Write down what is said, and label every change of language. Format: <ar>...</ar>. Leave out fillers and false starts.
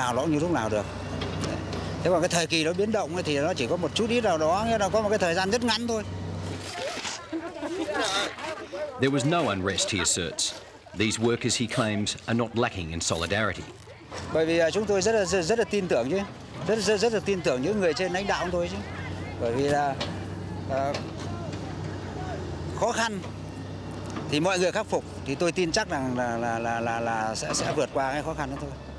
<vi>Thế còn cái thời kỳ nó biến động thì nó chỉ có một chút ít nào đó, nghĩa là có một cái thời gian rất ngắn thôi.</vi> <en>There was no unrest, he asserts. These workers, he claims, are not lacking in solidarity.</en> <vi>Bởi vì chúng tôi rất là tin tưởng chứ, rất là tin tưởng những người trên lãnh đạo chúng tôi chứ. Bởi vì là khó khăn thì mọi người khắc phục, thì tôi tin chắc rằng là sẽ vượt qua cái khó khăn đó thôi.</vi>